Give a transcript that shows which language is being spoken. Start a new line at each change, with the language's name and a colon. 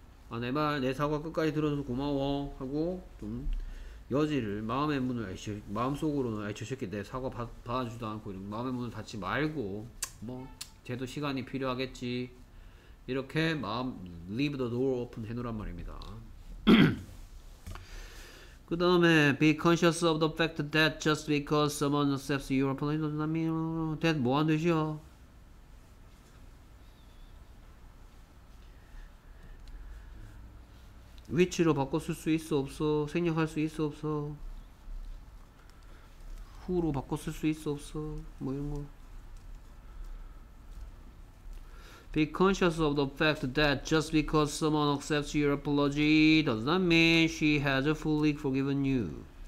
Korean: 아, 내 말, 내 사과 끝까지 들어줘서 고마워 하고 좀 여지를 마음의 문을 아이씨, 마음속으로는 아이 저 새끼 내 사과 받아주지도 않고 이런 마음의 문을 닫지 말고 뭐 쟤도 시간이 필요하겠지 이렇게 마음
English: leave the door open
Korean: 해놓으란 말입니다. 그 다음에
English: be conscious of the fact that just because someone accepts your apology does not mean that
Korean: 뭐한 뜻이요? 위치로 바꿔 쓸 수 있어 없어? 생략할 수 있어 없어? 후로 바꿔 쓸 수 있어 없어? 뭐 이런 거.
English: Be conscious of the fact that just because someone accepts your apology does not mean she has fully forgiven you.